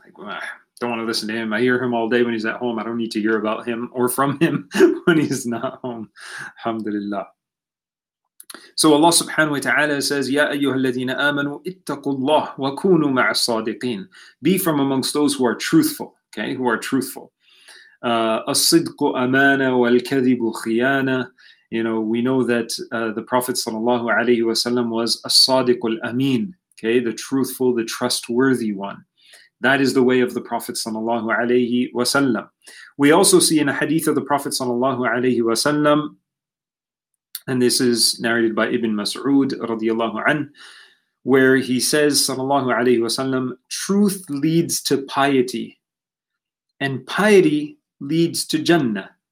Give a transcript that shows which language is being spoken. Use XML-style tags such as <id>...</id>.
<en>Like, well, don't want to listen to him. I hear him all day when he's at home. I don't need to hear about him or from him when he's not home. Alhamdulillah. So Allah subhanahu wa ta'ala says,</en> <ar>Ya ayyuhalladhina amanu ittaqullah wa kunu ma'as-sadiqin.</ar> <en>Be from amongst those who are truthful. Okay, who are truthful.</en> <ar>الصدق أمانة والكذب خيانة.</ar> <en>You know, we know that the Prophet sallallahu alayhi wa sallam was as-sadiq al-amin, okay, the truthful, the trustworthy one. That is the way of the Prophet sallallahu alayhi wa sallam. We also see in a hadith of the Prophet sallallahu alayhi wa sallam, and this is narrated by Ibn Mas'ud radiyallahu anhu, where he says, sallallahu alayhi wa sallam, truth leads to piety, and piety leads to Jannah.</en>